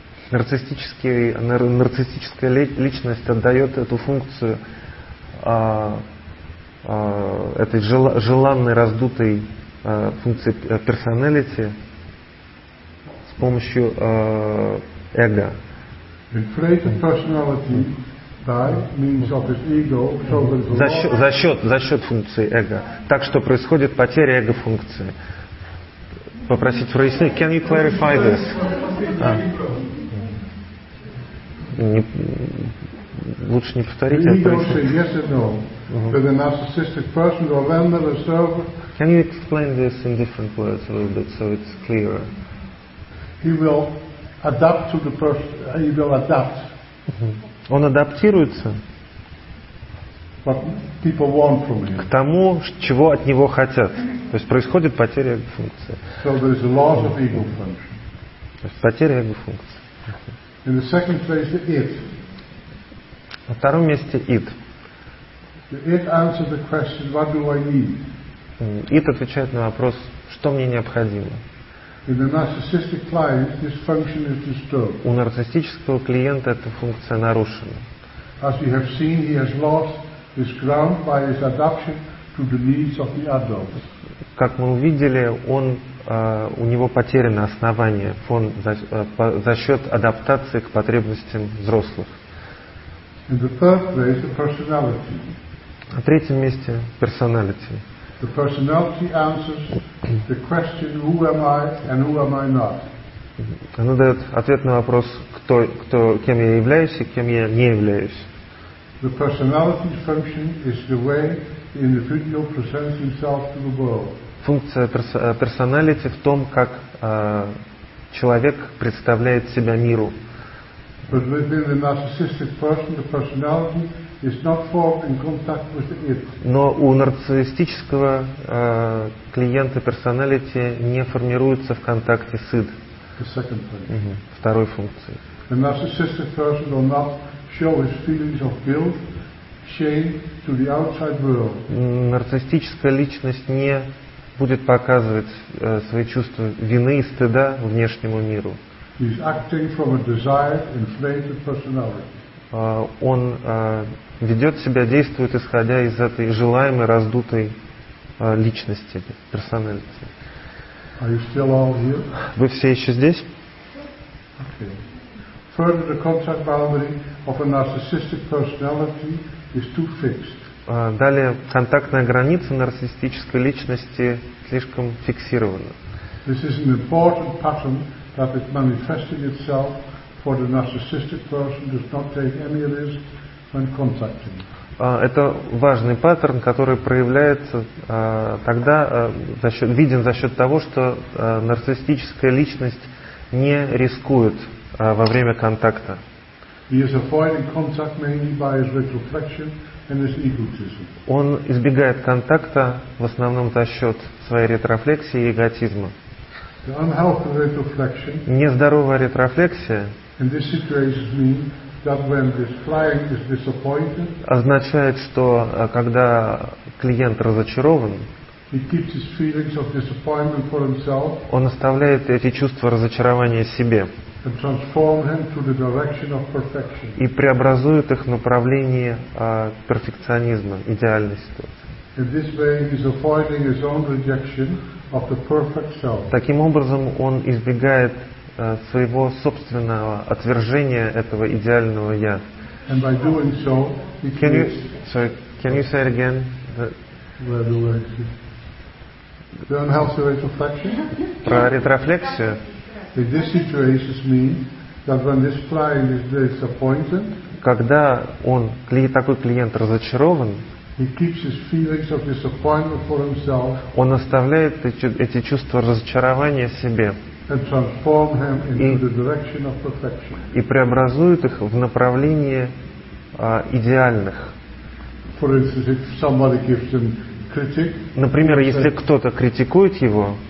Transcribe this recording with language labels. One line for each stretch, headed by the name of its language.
Russian: Нарциссическая личность отдает эту функцию этой желанной раздутой функции персоналити с помощью эго.
English: Inflated personality by means of his ego, so
Russian: за счет функции эго. Так что происходит потеря эго функции. Попросить прояснить.
English: Can you clarify this?
Russian: Лучше не повторить.
English: The ego says yes or no. But a narcissistic person will render a service. Can you explain this in different words a little bit so it's clearer? He will adapt to the person. He will adapt.
Russian: Uh-huh. Он адаптируется.
English: What people want from him.
Russian: К тому, чего от него хотят. То есть происходит потеря эго функции.
English: So there is a loss of ego function.
Russian: То есть потеря эго функции.
English: In the second place, the it.
Russian: На втором месте it.
English: It answers the question, what do I need?
Russian: It отвечает на вопрос, что мне необходимо.
English: In the narcissistic client, this function is disturbed.
Russian: У нарциссического клиента эта функция нарушена.
English: As we have seen, he has lost his ground by his adaptation to the needs of the adult.
Russian: Как мы увидели, он у него потеряно основание, фон за счет адаптации к потребностям взрослых.
English: In the third place, the personality.
Russian: На третьем месте personality.
English: The personality answers the question, who am I and who am I not?
Russian: Она дает ответ на вопрос, кем я являюсь и кем я не являюсь.
English: The personality function is the way the individual presents himself to the world.
Russian: Функция personality в том, как человек представляет себя миру.
English: But within the narcissistic person, the personality is not formed in contact with the it.
Russian: Но у нарциссического клиента personality не формируется в контакте с it.
English: The second point.
Russian: Uh-huh. Второй функции.
English: The narcissistic person will not show his feelings of guilt, shame to the outside world.
Russian: Нарциссическая личность не будет показывать свои чувства вины и стыда внешнему миру.
English: He is acting from a desired, inflated personality.
Russian: Он ведет себя, действует, исходя из этой желаемой, раздутой личности, персоналити.
English: Are you still all here?
Russian: Вы все еще здесь?
English: Okay. Further, the contact boundary of a narcissistic personality is too fixed.
Russian: Далее, контактная граница нарциссической личности слишком фиксирована.
English: This is an important pattern that is manifesting itself for the narcissistic person does not take any risk when contacting.
Russian: Это важный паттерн, который проявляется тогда, виден за счет того, что нарциссическая личность не рискует во время контакта.
English: He is avoiding contact mainly by his retrospection and his egotism.
Russian: Он избегает контакта в основном за счет своей ретрофлексии и эготизма.
English: The unhealthy retrospection.
Russian: Нездоровая ретрофлексия.
English: In this situation means that when this client is disappointed.
Russian: Означает, что когда клиент разочарован.
English: He keeps his feelings of disappointment for himself.
Russian: Он оставляет эти чувства разочарования себе.
English: And transform him to the direction of perfection.
Russian: И преобразует их в направлении перфекционизма, идеальной ситуации.
English: In this way, he is avoiding his own rejection of the perfect self.
Russian: Таким образом, он избегает своего собственного отвержения этого идеального я.
English: And by doing so, he can you say it again? Where do I see? The unhealthy retrospection.
Russian: Про ретрофлексию.
English: In this situation means that when this client is disappointed,
Russian: когда он, такой клиент разочарован,
English: he keeps his feelings of disappointment for himself,
Russian: он оставляет эти чувства разочарования себе,
English: and transform him into the direction of perfection.
Russian: И преобразует их в направлении идеальных.
English: For instance, if somebody gives him critic,
Russian: например, если кто-то критикует его,